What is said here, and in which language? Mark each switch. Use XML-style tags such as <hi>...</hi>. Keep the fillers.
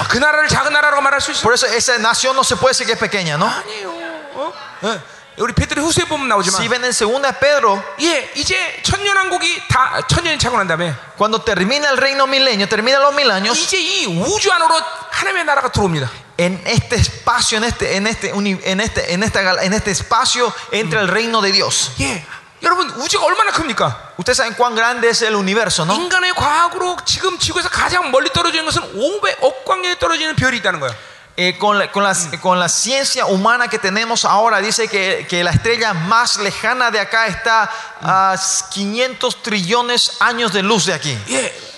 <es>아, Por eso esa nación no se puede decir que es pequeña.</es> <ko>아니야 너? 아니요. 어? 우리 베드로 후세 보면 나오지만.</ko> <es>Si ven en segunda Pedro.</es> <ko>예, 이제 천년왕국이 다 천년이 차고 난 다음에.</ko> <es>Cuando termina el reino milenio, termina los mil años.</es> <ko>이제 이 우주 안으로 하나님의 나라가 들어옵니다.</ko> <es>En este espacio, en este, en este, en este, en esta, en este espacio entra 음. el reino de Dios. 예.</es> <ko>여러분 우주가 얼마나 큽니까?</ko> <es>Ustedes saben cuán grande es el universo, ¿no?</es> <ko>인간의 과학으로 지금 지구에서 가장 멀리 떨어진 것은 500억 광년에 떨어지는 별이 있다는 거야.</ko> <es>Eh, con, la, con, la, mm. eh, con la ciencia humana que tenemos ahora, dice que, que, la estrella más lejana de acá está a mm. uh, 500 trillones años de luz de aquí. Yeah.</es>